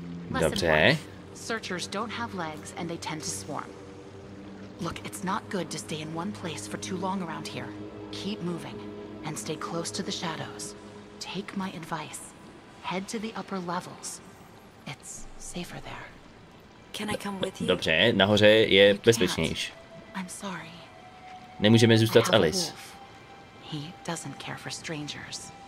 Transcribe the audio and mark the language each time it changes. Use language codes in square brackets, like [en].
[en] Lesson 1. Searchers don't have legs, and they tend to swarm. Look, it's not good to stay in one place for too long around here. Keep moving, and stay close to the shadows. Take my advice. Head to the upper levels. It's safer there. Can I come with you? [cs] Dobře, nahoře je bezpečnější. [en] I'm sorry. [cs] Nemůžeme zůstat s Alice. [en] He doesn't care for strangers.